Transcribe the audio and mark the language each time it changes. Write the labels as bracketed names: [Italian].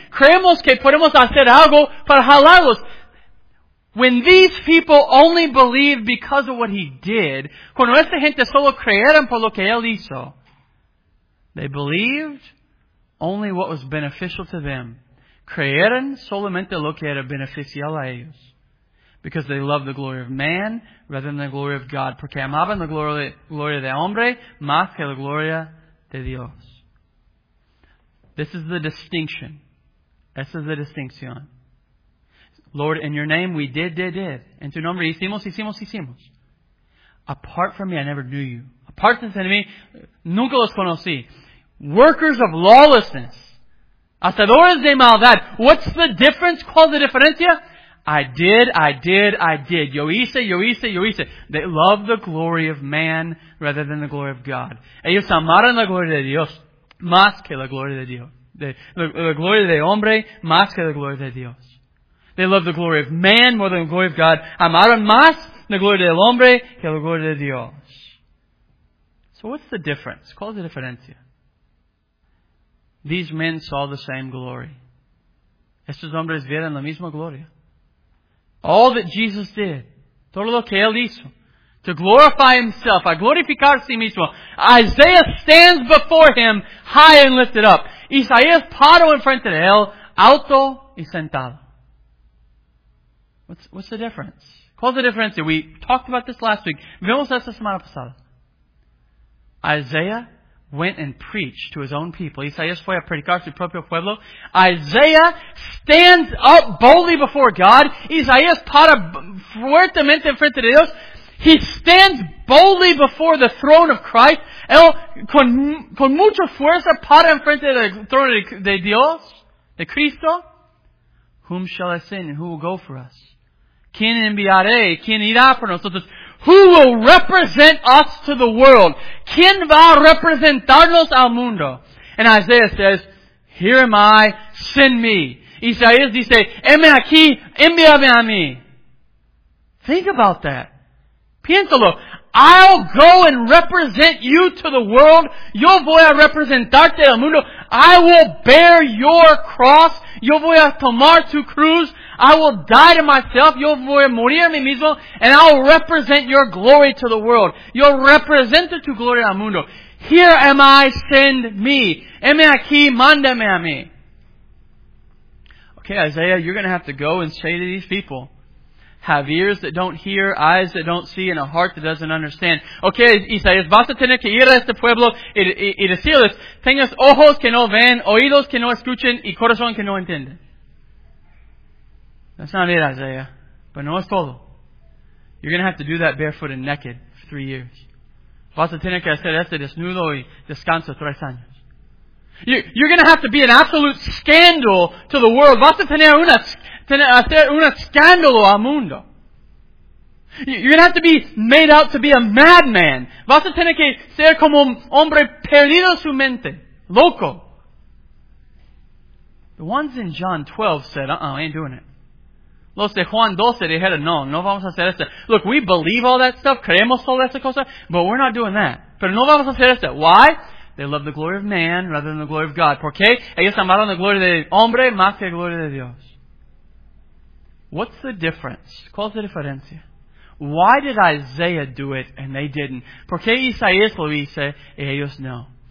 [Spanish] Creemos que podemos hacer algo para jalarlos. [English] When these people only believe because of what he did, [Spanish] cuando esta gente solo creyeron por lo que él hizo, [English] They believed only what was beneficial to them. [Spanish] Creyeron solamente lo que era beneficial a ellos. [English] Because they loved the glory of man rather than the glory of God. [Spanish] Porque amaban la gloria de hombre más que la gloria de Dios. [English] This is the distinction. This is the distinction. Lord, in your name we did. [Spanish] En tu nombre hicimos. [English] Apart from me, I never knew you. Apart from me, [Spanish] nunca los conocí. [English] Workers of lawlessness. [Spanish] Hacedores de maldad. [English] What's the difference? [Spanish] ¿Cuál es la diferencia? [English] I did. [Spanish] Yo hice. [English] They loved the glory of man rather than the glory of God. [Spanish] Ellos amaron la gloria de Dios más que la gloria de Dios. La gloria de hombre más que la gloria de Dios. [English] They loved the glory of man more than the glory of God. [Spanish] Amaron más la gloria del hombre que la gloria de Dios. [English] So what's the difference? [Spanish] ¿Cuál es la diferencia? [English] These men saw the same glory. [Spanish] Estos hombres vieron la misma gloria. [English] All that Jesus did, [Spanish] todo lo que Él hizo, [English] to glorify Himself, [Spanish] a glorificarse mismo. [English] Isaiah stands before Him, high and lifted up. [Spanish] Isaías paró en frente de Él, alto y sentado. [English] What's the difference? [Spanish] ¿Cuál es la diferencia? [English] We talked about this last week. [Spanish] Vimos esta semana pasada. [English] Isaiah went and preached to his own people. [Spanish] Isaías fue a predicar su propio pueblo. [English] Isaiah stands up boldly before God. [Spanish] Isaías para fuertemente frente de Dios. [English] He stands boldly before the throne of Christ. [Spanish] Él con mucha fuerza para enfrente del trono de Dios, de Cristo. [English] Whom shall I send and who will go for us? [Spanish] ¿Quién enviaré? ¿Quién irá por nosotros? [English] Who will represent us to the world? [Spanish] ¿Quién va a representarnos al mundo? [English] And Isaiah says, here am I, send me. [Spanish] Isaías dice, heme aquí, envíame a mí. [English] Think about that. [Spanish] Piénsalo. [English] I'll go and represent you to the world. [Spanish] Yo voy a representarte al mundo. [English] I will bear your cross. [Spanish] Yo voy a tomar tu cruz. [English] I will die to myself. [Spanish] Yo voy a morir a mí mismo. [English] And I'll represent your glory to the world. [Spanish] Yo represento tu gloria al mundo. [English] Here am I, send me. [Spanish] Heme aquí, mándame a mí. [English] Okay, Isaiah, you're going to have to go and say to these people, have ears that don't hear, eyes that don't see, and a heart that doesn't understand. [Spanish] Okay, Isaías, vas a tener que ir a este pueblo y decirles, tengas ojos que no ven, oídos que no escuchen, y corazón que no entienden. [English] That's not it, Isaiah. But [Spanish] no es todo. [English] You're going to have to do that barefoot and naked for 3 years. [Spanish] Vas a tener que hacer este desnudo y descanso 3 años. [English] You're going to have to be an absolute scandal to the world. [Spanish] Vas a tener un escándalo al mundo. [English] You're going to have to be made out to be a madman. [Spanish] Vas a tener que ser como un hombre perdido su mente. Loco. [English] The ones in John 12 said, I ain't doing it. [Spanish] Los de Juan 12 dijeron, no vamos a hacer esto. [English] Look, we believe all that stuff. [Spanish] Creemos toda esa cosa. [English] But we're not doing that. [Spanish] Pero no vamos a hacer esto. [English] Why? They love the glory of man rather than the glory of God. [Spanish] ¿Por qué? Ellos amaron la gloria del hombre más que la gloria de Dios. [English] What's the difference? [Spanish] ¿Cuál es la diferencia? [English] Why did Isaiah do it and they didn't? [Spanish] ¿Por qué Isaías lo hizo y ellos no?